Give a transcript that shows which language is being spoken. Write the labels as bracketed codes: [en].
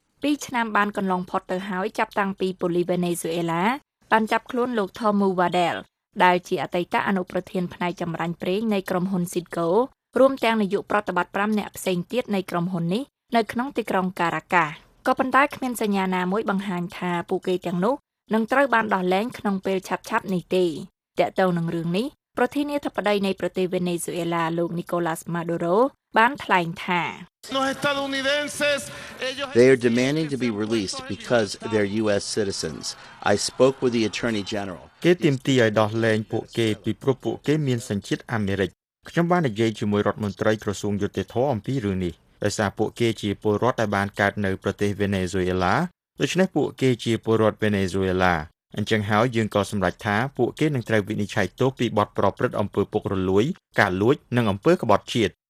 [km] 2ឆ្នាំបានកន្លងផុតទៅហើយចាប់តាំងពីប៉ូលីវេណេស៊ុយអេឡាបានចាប់ខ្លួនលោក Tom Wardell ដែលជាអតីតអនុប្រធានផ្នែកចម្រាញ់ប្រេងនៃក្រុមហ៊ុន Citgo រួមទាំងនាយកប្រតិបត្តិ5អ្នកផ្សេងទៀតនៃក្រុមហ៊ុននេះនៅក្នុងទីក្រុង Caracas ក៏ប៉ុន្តែគ្មានសញ្ញាណាមួយបង្ហាញថាពួកគេទាំងនោះនឹងត្រូវបានដោះលែងក្នុងពេលឆាប់ៗនេះទេ។ទាក់ទងនឹងរឿងនេះប្រធានាធិបតីនៃប្រទេសវេណេស៊ុយអេឡាលោក Nicolas Maduro បានថ្លែងថា [en] They are demanding to be released because they're US citizens. I spoke with the attorney general. [km] គេទាមទារឲ្យដោះលែងពួកគេពីព្រោះពួកគេមានសញ្ជាតិអាមេរិក។ខ្ញុំបាននិយាយជាមួយរដ្ឋមន្ត្រីក្រសួងយុត្តិធម៌អំពីរឿងនេះ។ដោយសារពួកគេជាពលរដ្ឋដែលបានកើតនៅប្រទេសវេណេស៊ុយអេឡាដូច្នេះពួកគេជាពលរដ្ឋវេណេស៊ុយអេឡាអញ្ចឹងហើយយើងក៏សម្រេចថាពួកគេនឹងត្រូវវិនិច្ឆ័យទោសពីបទប្រព្រឹត្តអំពើពុករលួយការលួចនិងអំពើក្បត់ជាតិ